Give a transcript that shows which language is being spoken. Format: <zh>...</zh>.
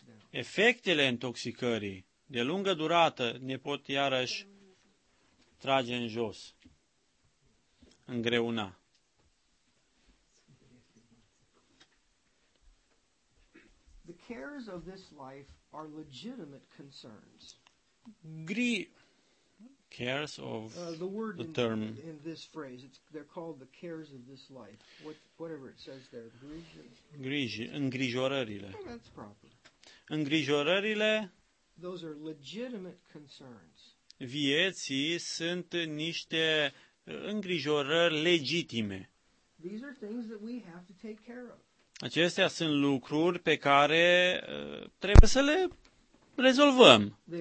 <ro>Efectele intoxicării de lungă durată ne pot iarăși trage în jos, îngreuna.</ro> <en>The cares of this life are legitimate concerns. Cares of the word the term in this phrase, they're called the cares of this life. Whatever it says there,</en> <ro>îngrijorările.</ro> <en>Oh, that's proper.</en> <ro>Îngrijorările.</ro> <en>Those are legitimate concerns.</en> <ro>Vieții sunt niște îngrijorări legitime.</ro> <en>These are things that we have to take care of.</en> <ro>Acestea sunt lucruri pe care trebuie să le rezolvăm.</ro>